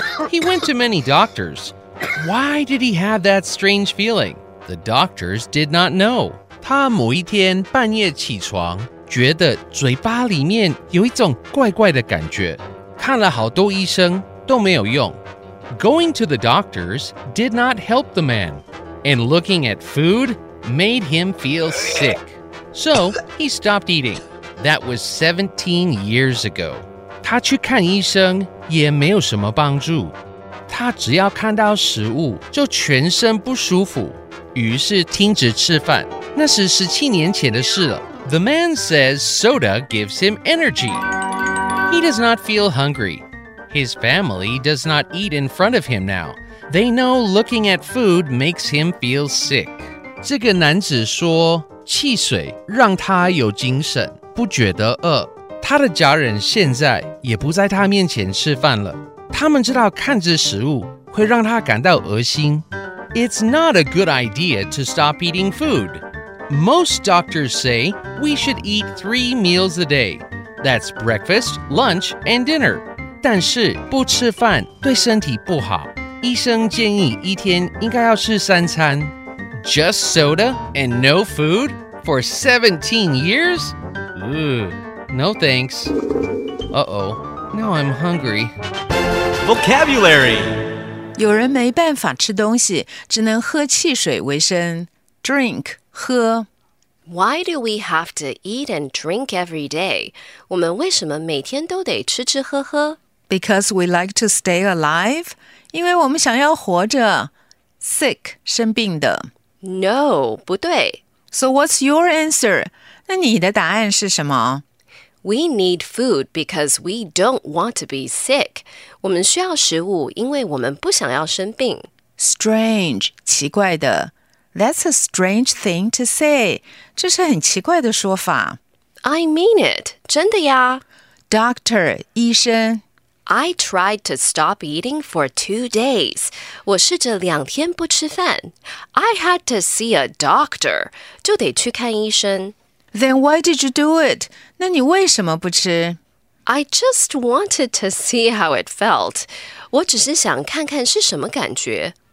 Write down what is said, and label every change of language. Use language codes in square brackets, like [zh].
[en] He went to many doctors. Why did he have that strange feeling? The doctors did not know. [zh] 他某一天半夜起床，觉得嘴巴里面有一种怪怪的感觉，看了好多医生都没有用。 [en] Going to the doctors did not help the man, and looking at food made him feel sick. So he stopped eating. That was 17 years ago. [zh] 他去看医生也没有什么帮助。他只要看到食物就全身不舒服，于是停止吃饭。那是17年前的事了。 [en] The man says soda gives him energy. He does not feel hungry. His family does not eat in front of him now. They know looking at food makes him feel sick. [zh] 这个男子说汽水让他有精神，不觉得饿。他的家人现在也不在他面前吃饭了。他们知道看着食物会让他感到噁心。 [en] It's not a good idea to stop eating food. Most doctors say we should eat 3 meals a day. That's breakfast, lunch, and dinner. [zh] 但是不吃饭对身体不好。医生建议一天应该要吃三餐。 [en] Just soda and no food for 17 years? No thanks. Uh-oh, now I'm hungry. Vocabulary. [zh] 有人没办法吃东西，只能喝汽水维生。 [en] Drink, 喝。 Why do we have to eat and drink every day? [zh] 我们为什么每天都得吃吃喝喝？ [en] Because we like to stay alive? [zh] 因为我们想要活着。 [en] Sick, 生病的。 No, [zh] 不对。 [en] So what's your answer? [zh] 那你的答案是什么？ [en] We need food because we don't want to be sick. [zh] 我们需要食物因为我们不想要生病。 [en] Strange, 奇怪的。That's a strange thing to say. [zh] 这是很奇怪的说法。 [en] I mean it, [zh] 真的呀。 [en] Doctor, 医生。 I tried to stop eating for 2 days. [zh] 我试着两天不吃饭。 [en] I had to see a doctor. [zh] 就得去看医生。 [en] Then why did you do it? [zh] 那你为什么不吃? [en] I just wanted to see how it felt. [zh] 我只是想看看是什么感觉。